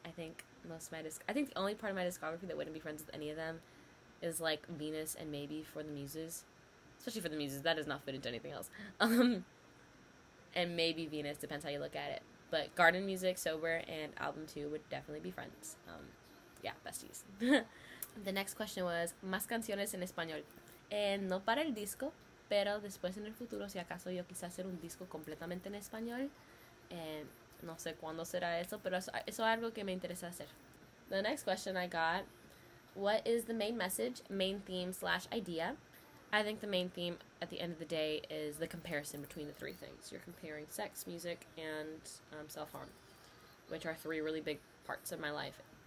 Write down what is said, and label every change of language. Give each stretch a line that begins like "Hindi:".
English: I think the only part of my discography that wouldn't be friends with any of them is, like, Venus and maybe For the Muses. Especially For the Muses. That does not fit into anything else. And maybe Venus, depends how you look at it. But Garden Music, Sober, and Album 2 would definitely be friends. Besties. The next question was,
Spanish: más canciones en español. No para el disco, pero después en el futuro, si acaso yo quisiera hacer un disco completamente en español. No sé cuándo será eso, pero eso es algo que me interesa hacer.
English: The next question I got, what is the main message, main theme / idea? I think the main theme at the end of the day is the comparison between the three things. You're comparing sex, music, and self-harm, which are three really big parts of my life.